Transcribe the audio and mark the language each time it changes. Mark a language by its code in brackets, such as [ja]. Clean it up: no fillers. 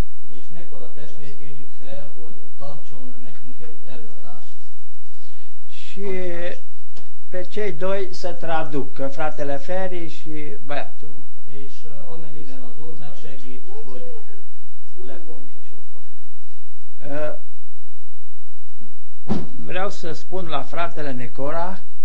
[hu] És Nikola testvér kérjük fel, hogy tartson nekünk egy előadást. [ro] Și pe cei doi să traducă, fratele Feri și băiatul. [hu] És amennyiben az Úr megsegít, hogy lefordítsuk. [ro] Vreau să spun la fratele Nicola.